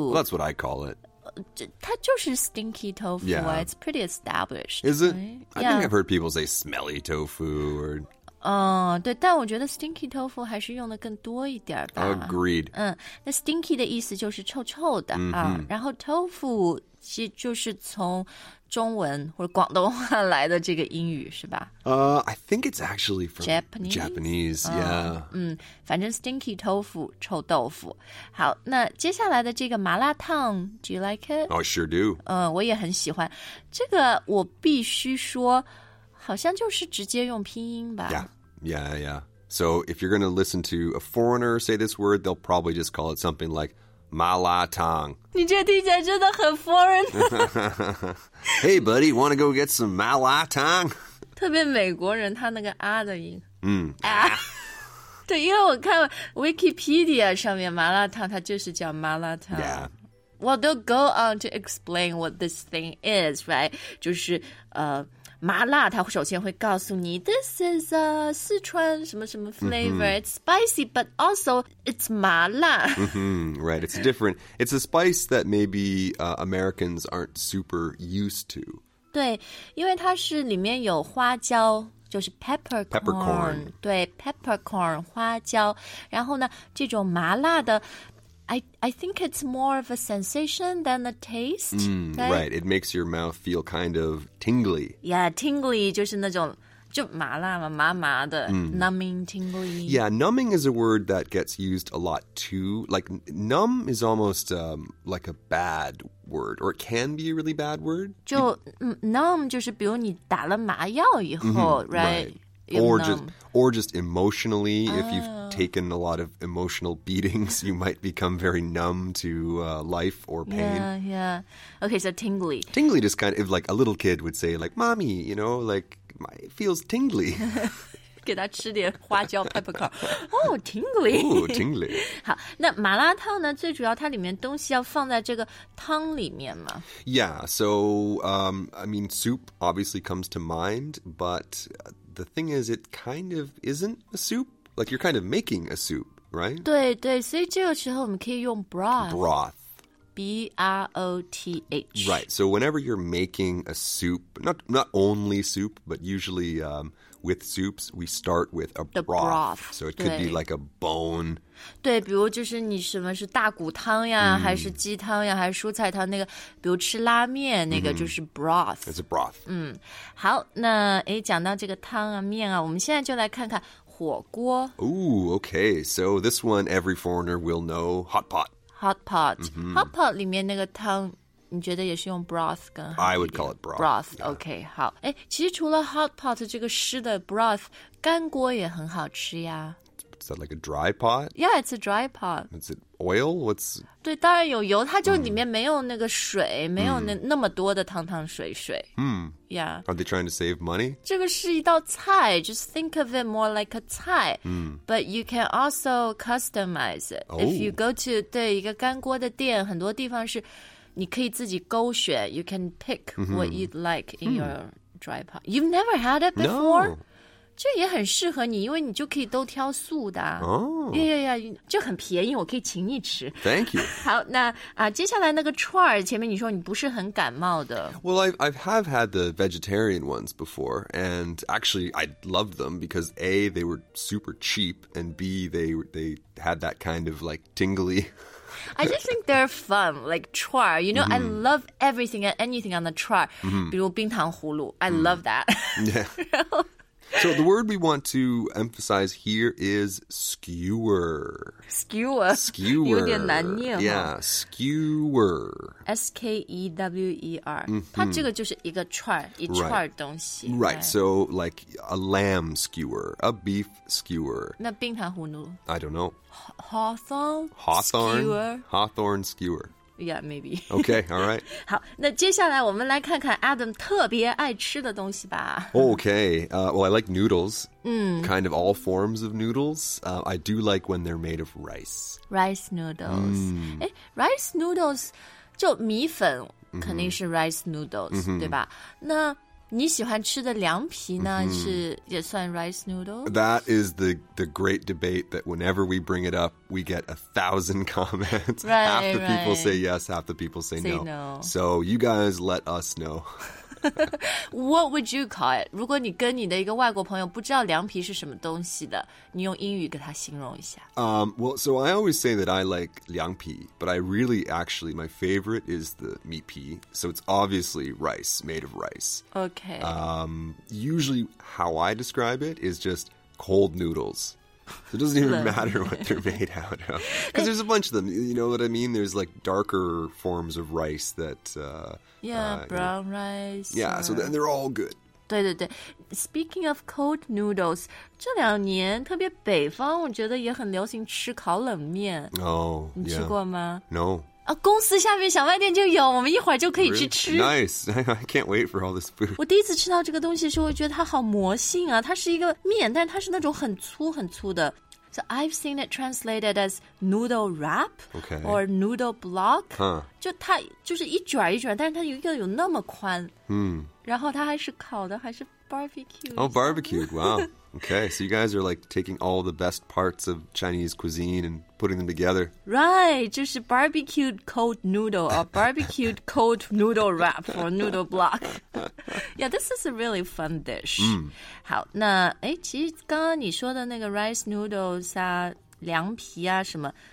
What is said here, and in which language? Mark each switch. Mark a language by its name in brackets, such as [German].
[English] well, That's what I call it [Chinese] 它就是 stinky tofu、 [English] yeah. It's pretty established Is it?、 Right? I think I've heard people say smelly tofu or...、 [Chinese] 对但我觉得 stinky tofu 还是用的更多一点吧 [English] Agreed、 [Chinese] 那 stinky 的意思就是臭臭的、 mm-hmm. 然后 tofu 其实就是从中文或者广东话来的这个英语是吧、 [English] I think it's actually from Japanese、 yeah. [Chinese] 反正 stinky tofu 臭豆腐好那接下来的这个麻辣烫 [English] Do you like it? I sure do、 [Chinese] 我也很喜欢这个我必须说好像就是直接用拼音吧 [English] Yeah. So if you're going to listen to a foreigner say this word they'll probably just call it something likeMalatang. [Chinese] 你这听起来真的很 foreign. [English] Hey, buddy, want to go get some malatang? [Chinese] 特别美国人他那个啊的音。嗯。啊。对因为我看 Wikipedia 上面麻辣烫它就是叫 malatang. [English] Yeah. Well, they'll go on to explain what this thing is, right? [Chinese] 就是麻辣它首先会告诉你 [English] This is a 四川什么什么 flavor、mm-hmm. It's spicy but also it's 麻辣、 mm-hmm. Right, it's different It's a spice that maybe、Americans aren't super used to [Chinese] 对因为它是里面有花椒就是 peppercorn 对 peppercorn 花椒然后呢这种麻辣的 [English] I think it's more of a sensation than a taste. Right, it makes your mouth feel kind of tingly. [Chinese] Yeah, tingly 就是那种就麻辣嘛麻麻的、 [English] numbing, tingly. Yeah, numbing is a word that gets used a lot too. Like, numb is almost、like a bad word, or it can be a really bad word. [Chinese] 就 numb 就是比如你打了麻药以后、 [English] right? Or just emotionally,、if you've taken a lot of emotional beatings, you might become very numb to、life or pain. Yeah. Okay, so tingly. Tingly just kind of like a little kid would say, like, mommy, you know, like, it feels tingly. [Chinese] 给他吃点花椒 peppercorn. [English] Oh, tingly. Oh, tingly. [Chinese] 好，那麻辣烫呢，最主要它里面东西要放在这个汤里面嘛。 [English] Yeah, so,、I mean, soup obviously comes to mind, but... The thing is, it kind of isn't a soup. Like, you're kind of making a soup, right? [Chinese] 对对，所以这个时候我们可以用 broth. [English] Broth. B-R-O-T-H. Right, so whenever you're making a soup, not only soup, but usually、with soups, we start with a broth. So it could be like a bone. [Chinese] 对，比如就是你什么是大骨汤呀、还是鸡汤呀，还是蔬菜汤那个，比如吃拉面那个就是 broth. [English] It's a broth. [Chinese] 好，那诶，讲到这个汤啊，面啊，我们现在就来看看火锅。 [English] Ooh, okay, so this one every foreigner will know, hot pot. [Chinese] Hot pot. Hot pot 里面那个汤你觉得也是用 broth 更好 [English] ？I would call it broth. Broth,、yeah. OK, 好。 [Chinese] 哎，其实除了 hot pot 这个湿的 broth, 干锅也很好吃呀。 [English] Is that like a dry pot? Yeah, it's a dry pot. Is it oil? What's... [Chinese] 对，当然有油，它就里面没有那个水，没有那么多的汤汤水水。 [English] Yeah. Are they trying to save money? [Chinese] 这个是一道菜 , [English] just think of it more like a [Chinese] 菜。 [English] But you can also customize it.、 Oh. If you go to, [Chinese] 对，一个干锅的店，很多地方是你可以自己勾选 [English] ,you can pick what you'd like in your dry pot. You've never had it before? No. [Chinese] 这也很适合你，因为你就可以都挑素的。哦，呀呀呀，就很便宜，我可以请你吃。 [English] Thank you. [Chinese] 好，那啊，接下来那个串儿，前面你说你不是很感冒的。 [English] Well, I have had the vegetarian ones before, and actually I loved them because A, they were super cheap, and B, they had that kind of like tingly. I just think they're fun, like串儿. You know,、I love everything and anything on the 串儿. [Chinese] 比如冰糖葫芦 [English] I love that. Yeah. So the word we want to emphasize here is skewer. Skewer. Skewer. [Chinese] 有点难念吗? [English] Yeah, skewer. [Chinese] S-K-E-W-E-R.、它这个就是一个串儿,一串东西。 [English] Right. Right, so like a lamb skewer, a beef skewer. [Chinese] 那冰糖葫芦? [English] I don't know. Hawthorn skewer. Hawthorn skewer. Yeah, maybe. Okay, all right. [Chinese] 好，那接下来我们来看看 Adam 特别爱吃的东西吧。 [English] Okay, well, I like noodles. Kind of all forms of noodles. I do like when they're made of rice. Rice noodles. [Chinese] Rice noodles, 就米粉肯定是 rice noodles, 对吧？那你喜欢吃的凉皮呢是也算 rice noodles? [English] That is the great debate that whenever we bring it up, we get 1,000 comments. Right, half the right. people say yes, half the people say, say no. So you guys let us know. What would you call it? [Chinese] 如果你跟你的一个外国朋友不知道凉皮是什么东西的你用英语给他形容一下。 [English] Well, so I always say that I like 凉皮, but I really actually, my favorite is the 米皮. So it's obviously rice, made of rice. Okay. Usually how I describe it is just cold noodles. So it doesn't even matter what they're made out of. Because there's a bunch of them, you know what I mean? There's like darker forms of rice that... brown rice. Yeah, so then they're all good. [Chinese] 对对对 [English] Speaking of cold noodles, [Chinese] 这两年特别北方我觉得也很流行吃烤冷面。 [English] Oh, yeah. [Chinese] 你吃过吗 [English] No. [Chinese] 啊、公司下面小卖店就有我们一会儿就可以去吃 [English] Nice, I can't wait for all this food [Chinese] 我第一次吃到这个东西的时候我觉得它好魔性啊它是一个面但它是那种很粗很粗的 [English] So I've seen it translated as noodle wrap、 okay. or noodle block、 huh. [Chinese] 就它就是一卷一卷但是它一个有那么宽、然后它还是烤的还是 barbecue [English] Oh, barbecue, wow Okay, so you guys are like taking all the best parts of Chinese cuisine and putting them together. Right, 就是 barbecued cold noodle or barbecued cold noodle wrap or noodle block. Yeah, this is a really fun dish.、 [Chinese] 好，那哎，其实刚刚你说的那个 rice noodles 啊，凉皮啊什么。